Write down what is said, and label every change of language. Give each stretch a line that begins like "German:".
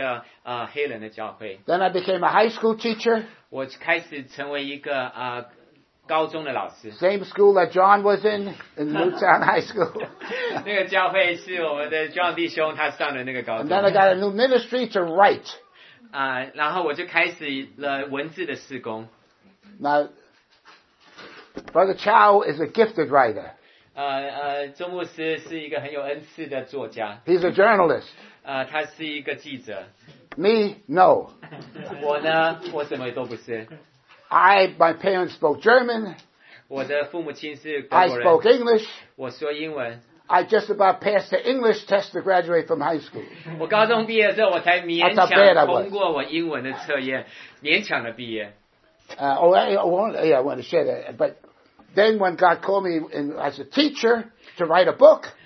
Chinese: 我遇见差不多那时候遇见周牧师，我那时候就离开那个黑人的教会。
English: Then I became a high school teacher.
Chinese: 我开始成为一个 高中的老师。
English: Same school that John was in Newtown High School.
Chinese: 那个教会是我们的John弟兄他上的那个高中。
English: And then I got a new ministry to write.
Chinese: 然后我就开始了文字的事工。
English: Now, Brother Chow is a gifted writer.
Chinese: 周牧师是一个很有恩赐的作家。
English: He's a journalist.
Chinese: 他是一个记者。
English: Me, no.
Chinese: 我呢，我什么都不是。
English: My parents spoke German.
Chinese: 我的父母亲是国人。
English: I spoke English.
Chinese: 我说英文。
English: I just about passed the English test to graduate from high school.
Chinese: 我高中毕业之后，我才勉强通过我英文的测验， 勉强的毕业。
English: I want to share that. But then when God called me in, as a teacher to write a book,